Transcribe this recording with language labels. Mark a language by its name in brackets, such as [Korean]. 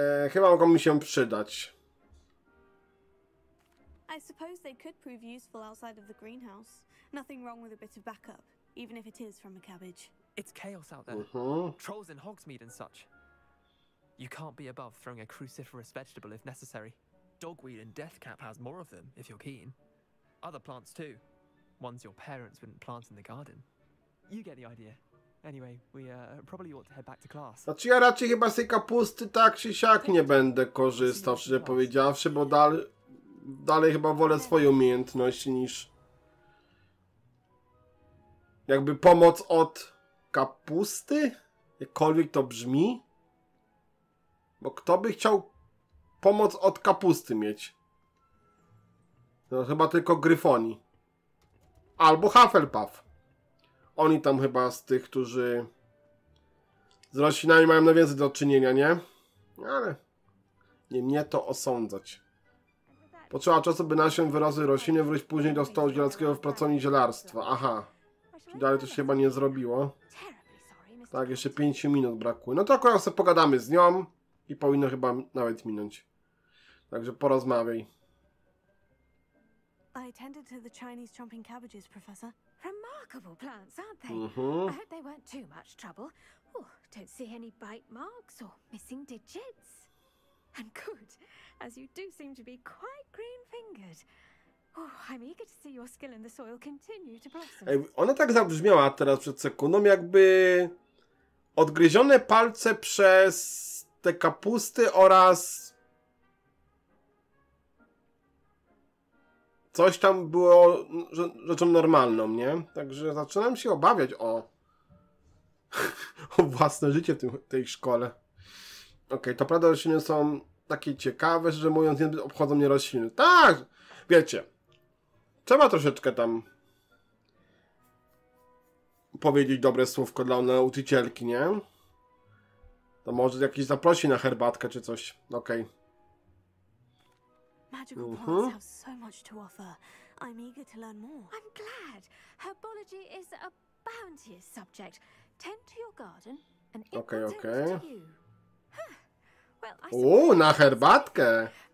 [Polish] Chyba mogą mi się przydać. [English] I suppose they could prove useful outside of the greenhouse. Nothing wrong with a bit of backup, even if it is from a cabbage. It's chaos out there. Trolls in Hogsmeade and such. You can't be above throwing a cruciferous vegetable if necessary. Dogweed and Deathcap has more of them, if you're keen. Other plants too. Ones your parents wouldn't plant in the garden. You get the idea. Anyway, we probably ought to head back to class. [Polish] Znaczy ja raczej chyba z tej kapusty tak czy siak nie będę korzystał, szczerze powiedziawszy, bo dalej chyba wolę swoje umiejętności niż jakby pomoc od kapusty, jakkolwiek to brzmi. Bo kto by chciał pomoc od kapusty mieć? No chyba tylko gryfoni. Albo Hufflepuff. Oni tam chyba z tych, którzy z roślinami mają najwięcej do czynienia, nie? Ale nie mnie to osądzać. Potrzeba czasu, by nasion wyrosły rośliny, wrócić później do stołu zielarskiego w pracowni zielarstwa. Aha. Czyli dalej to się chyba nie zrobiło. Tak, jeszcze 5 minut brakuje. No to akurat sobie pogadamy z nią i powinno chyba nawet minąć. Także porozmawiaj. [English] I attended to the Chinese chomping cabbages, professor. Remarkable plants, aren't they? Mm-hmm. I hope they weren't too much trouble. Oh, don't see any bite marks or missing digits. And good, as you do seem to be quite green-fingered. Oh, I'm eager to see your skill in the soil continue to blossom. [Polish] Ej, ona tak zabrzmiała teraz przed sekundą, jakby odgryzione palce przez te kapusty oraz coś tam było rzeczą normalną, nie? Także zaczynam się obawiać o własne życie w tej szkole. Okej, to prawda, rośliny są takie ciekawe, że mówiąc, nie obchodzą mnie rośliny. Tak! Wiecie, trzeba troszeczkę tam powiedzieć dobre słówko dla nauczycielki, nie? To może jakiś zaprosi na herbatkę czy coś. Okej. Okay. [English] Magical plants have so much to offer. I'm eager to learn more. I'm glad. Herbology is a bounteous subject. Tend to your garden, and it will tend to you. Well, I suppose. [Polish] Na herbatkę.